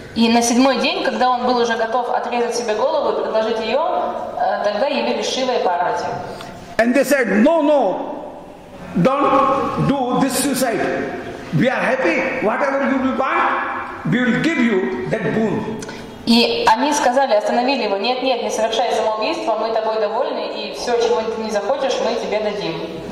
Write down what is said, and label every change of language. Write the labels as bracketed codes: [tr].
[ru] И на седьмой день, когда он был уже готов отрезать себе голову и предложить ее, тогда явились Шива и Парвати. [en] And they said, no, don't do this suicide. We are happy. Whatever you will want, we will give you that boon. [ru] И они сказали, остановили его, нет, не совершай самоубийство, мы тобой довольны, и все, чего ты не захочешь, мы тебе дадим.